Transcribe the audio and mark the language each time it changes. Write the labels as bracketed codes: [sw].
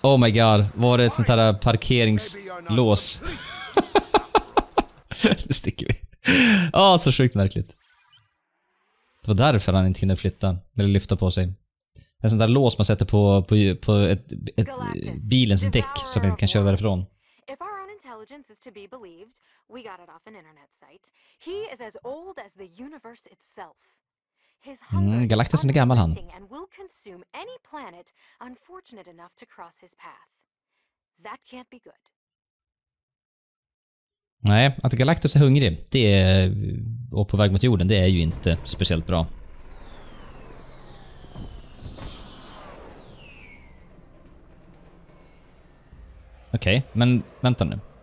[en] Oh my god, [sv] var det ett sånt här parkeringslås? Nu sticker vi. Ja, oh, så sjukt märkligt. Det var därför han inte kunde flytta eller lyfta på sig. En sån där lås man sätter på ett bilens däck som man kan köra därifrån. [en] Intelligence is to be believed. We got it off an internet site. He is as old as the universe itself. [sv] His Galactus är gammal han. [en] And will consume any planet unfortunate enough to cross his path. That can't be good. [sv] Nej, att Galactus är hungrig, det är och på väg mot jorden, det är ju inte speciellt bra. Okej, okay, men vänta nu.